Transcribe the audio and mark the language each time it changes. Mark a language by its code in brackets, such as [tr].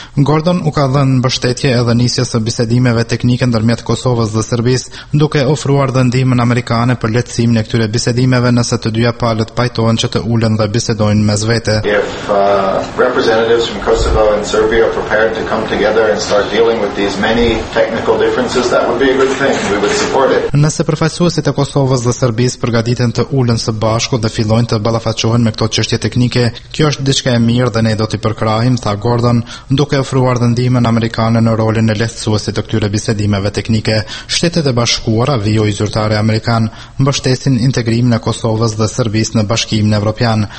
[sq] Gordon u ka dhënë mbështetje edhe nisjes së bisedimeve teknike ndërmjet Kosovës dhe Serbisë, duke ofruar dhe ndihmën amerikane për lehtësimin e këtyre bisedimeve nëse të dyja palët pajtohen që të ulen dhe bisedojnë mes vete. [en] To come together and start dealing with these many technical differences, that would be a good thing. We would support it. [sq] Nëse përfaqësuesit e Kosovës dhe Serbisë përgatiten të ulen së bashku dhe fillojnë të ballafaqohen me këto çështje teknike, kjo është diçka e mirë dhe ne do t'i përkrahim, tha Gordon, duke ofruar ndihmën amerikane në rolin e lehtësuesit të këtyre bisedimeve teknike. Shtetet e Bashkuara, vijoi zyrtari amerikan, mbështesin integrimin e Kosovës dhe Serbisë në Bashkimin Evropian.